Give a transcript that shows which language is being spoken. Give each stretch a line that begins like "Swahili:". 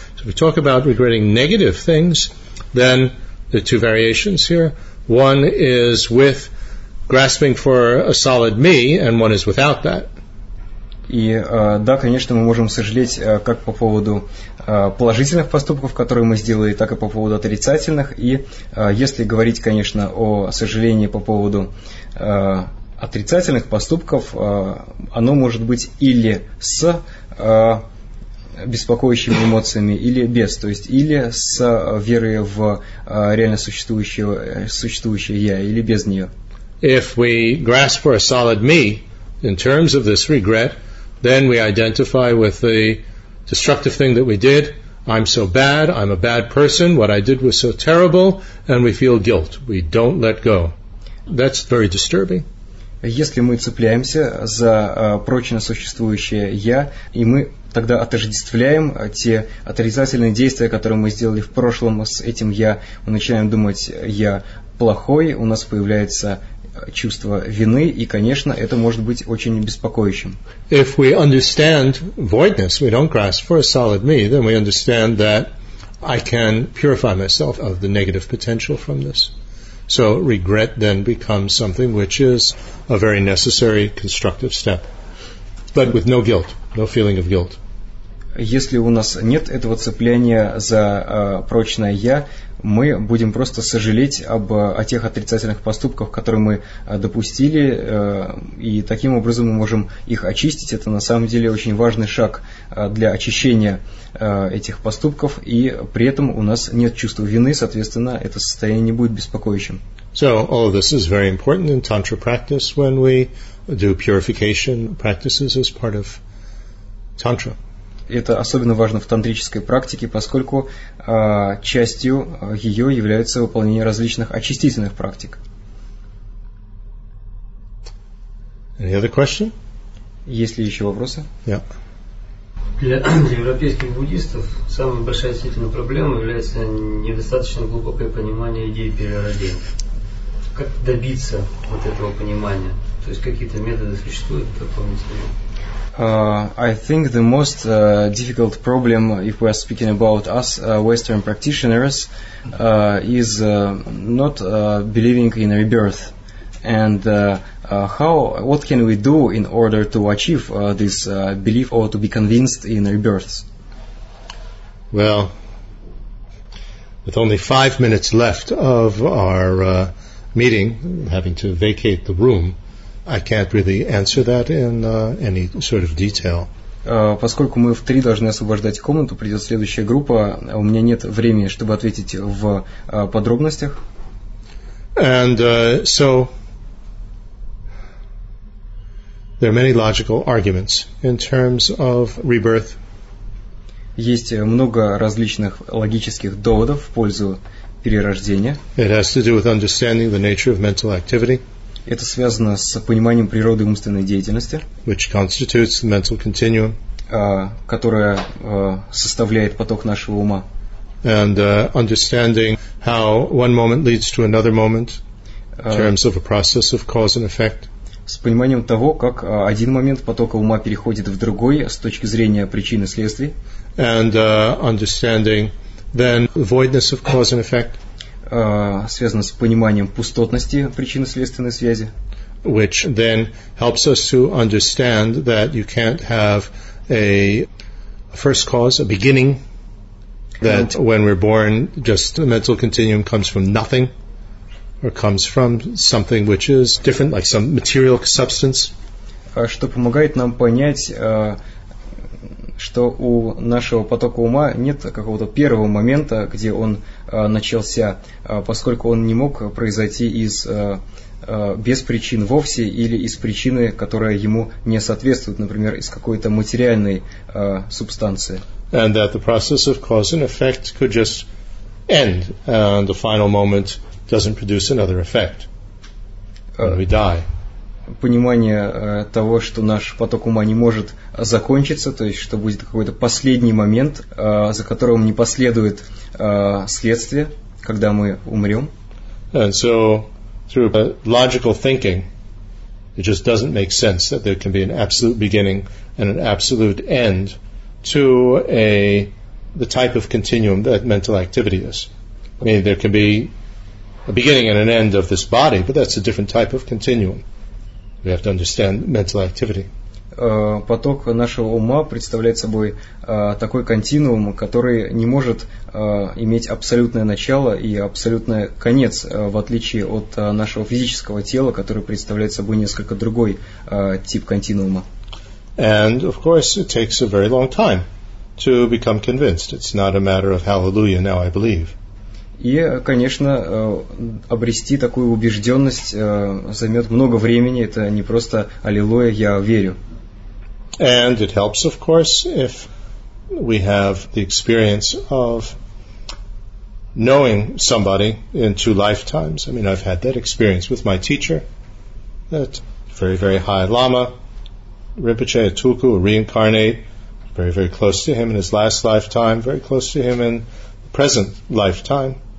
English: So if we talk about regretting negative things, then there are two variations here. One is with grasping for a solid me, and one is without that.
Russian: И да, конечно, мы можем сожалеть как по поводу положительных поступков, которые мы сделали, так и по поводу отрицательных. И если говорить, конечно, о сожалении по поводу отрицательных поступков, оно может быть или с беспокоящими эмоциями, или без, то есть или с верой в реально существующее я, или без нее.
English: If we grasp for a solid me in terms of this regret, then we identify with the destructive thing that we did. I'm so bad, I'm a bad person, what I did was so terrible, and we feel guilt. We don't let go. That's very disturbing.
Russian: Если мы цепляемся за прочно существующее «я», и мы тогда отождествляем те отрицательные действия, которые мы сделали в прошлом с этим «я», мы начинаем думать «я плохой», у нас появляется чувство вины, и, конечно, это может быть очень беспокоящим.
English: If we understand voidness, we don't grasp for a solid me, then we understand that I can purify myself of the negative potential from this. So regret then becomes something which is a very necessary constructive step, but with no guilt, no feeling of guilt.
Russian: Если у нас нет этого цепления за прочное «я», мы будем просто сожалеть о тех отрицательных поступках, которые мы допустили, и таким образом мы можем их очистить. Это на самом деле очень важный шаг для очищения этих поступков, и при этом у нас нет чувства вины, соответственно, это состояние не будет беспокоящим.
English: So all of this is very important in tantra practice when we do purification practices as part of tantra.
Russian: Это особенно важно в тантрической практике, поскольку частью ее является выполнение различных очистительных практик.
English: Any other question?
Russian: Есть ли еще вопросы?
English: Yeah.
Russian: Для европейских буддистов самая большая действительная проблема является недостаточно глубокое понимание идеи перерождения. Как добиться вот этого понимания? То есть какие-то методы существуют дополнительные?
English: I think the most difficult problem, if we are speaking about us Western practitioners, is not believing in rebirth. And what can we do in order to achieve this belief or to be convinced in rebirths? Well, with only 5 minutes left of our meeting, having to vacate the room, I can't really answer that in any sort of detail.
Russian: Поскольку мы в три должны освобождать комнату, придет следующая группа, у меня нет времени, чтобы ответить в подробностях.
English: And so there are many logical arguments in terms of rebirth.
Russian: Есть много различных логических доводов в пользу перерождения.
English: It has to do with understanding the nature of mental activity.
Russian: Это связано с пониманием природы умственной деятельности,
English: which constitutes the mental continuum,
Russian: которая составляет поток нашего ума,
English: and understanding how one moment leads to another moment in terms of a process of cause and effect.
Russian: С пониманием того, как один момент потока ума переходит в другой с точки зрения причины и следствий,
English: and understanding then the voidness of cause and effect.
Russian: Связано с пониманием пустотности причинно-следственной связи.
English: Which then helps us to understand that you can't have a first cause, a beginning, that when we're born, just the mental continuum comes from nothing. or comes from something which is different, like some material substance.
Russian: Что помогает нам понять, что у нашего потока ума нет какого-то первого момента, где он начался, поскольку он не мог произойти из без причин вовсе или из причины, которая ему не соответствует, например, из какой-то материальной субстанции.
English: And that the process of cause and effect could just end, and the final moment doesn't produce another effect. And we die.
Russian: Понимание того, что наш поток ума не может закончиться, то есть что будет какой-то последний момент, за которым не последует следствие, когда мы умрем.
English: And so, through logical thinking, it just doesn't make sense that there can be an absolute beginning and an absolute end to the type of continuum that mental activity is. I mean, there can be a beginning and an end of this body, but that's a different type of continuum. We have to understand mental activity.
Russian: Поток нашего ума представляет собой такой континуум, который не может иметь абсолютное начало и абсолютный конец, в отличие от нашего физического тела, который представляет собой несколько другой тип континуума.
English: And of course, it takes a very long time to become convinced. It's not a matter of hallelujah, now I believe.
Russian: И, конечно, обрести такую убежденность займет много времени. Это не просто «Аллилуйя, я верю».
English: And it helps, of course, if we have the experience of knowing somebody in two lifetimes. I mean, I've had that experience with my teacher, that very, very high lama, Rinpoche, a tulku, a reincarnate, very, very close to him in his last lifetime, very close to him in the present lifetime.